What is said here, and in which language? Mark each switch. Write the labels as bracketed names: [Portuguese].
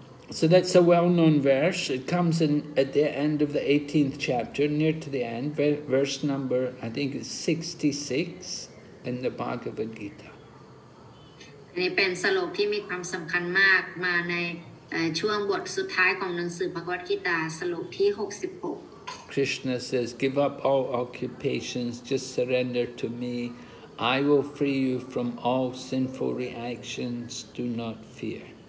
[English] So that's a well-known verse. It comes in at the end of the 18th chapter, near to the end, verse number, I think it's 66 in the Bhagavad Gita. [Thai] นี่เป็นสโลกที่มีความสำคัญมากมาในช่วงบทสุดท้ายของหนังสือภควัตกีตาสโลกที่66 [English] Krishna says give up all occupations just surrender to me I will free you from all sinful reactions do not fear